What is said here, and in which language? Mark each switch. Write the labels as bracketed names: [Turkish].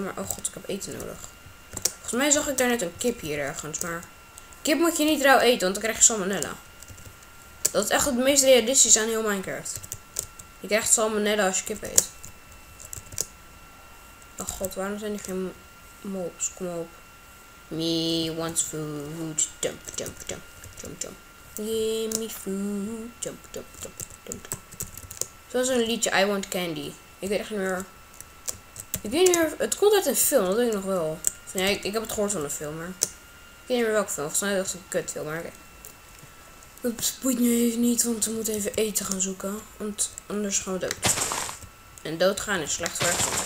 [Dutch] Maar oh god, ik heb eten nodig. Volgens mij zag ik daar net een kip hier ergens, maar kip moet je niet rauw eten, want dan krijg je salmonella. Dat is echt het meest realistische aan heel Minecraft. Je krijgt salmonella als je kip eet. Oh god, waarom zijn er geen mobs? Kom op. [English] Me wants food. Jump, jump, jump, jump, jump. Give me food. Jump, jump, jump, jump, jump. [Dutch] Zoals een liedje, I Want Candy. Ik weet echt niet meer. Ik weet niet meer. Het komt uit een film, dat weet ik nog wel. Ja, ik heb het gehoord van een film, maar. Ik weet niet meer welke film. Volgens mij is het een kutfilm, maar oké. Oeps, boeit nu even niet, want we moeten even eten gaan zoeken. Want anders gaan we dood. En doodgaan is slecht werk.